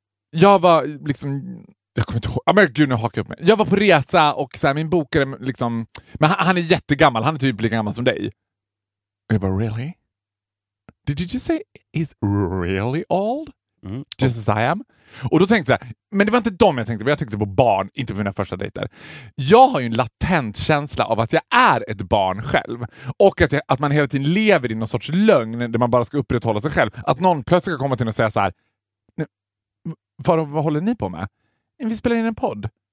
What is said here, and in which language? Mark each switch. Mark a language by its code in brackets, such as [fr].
[sv] jag var liksom... Jag kommer inte ihåg. Ja, men gud, nu hakar jag upp mig. Jag var på resa och så här, min bokare liksom... Men han är jättegammal. Han är typ lika gammal som dig. Och jag bara, [en] really? Did you just say he's really old? Mm. Just as I am? [sv] Och då tänkte jag, men det var inte dem jag tänkte på. Jag tänkte på barn, inte på mina första dejter. Jag har ju en latent känsla av att jag är ett barn själv. Och att man hela tiden lever i någon sorts lögn där man bara ska upprätthålla sig själv. Att någon plötsligt ska komma till och säga så här, Faro, vad håller ni på med? Vi spelar in en podd.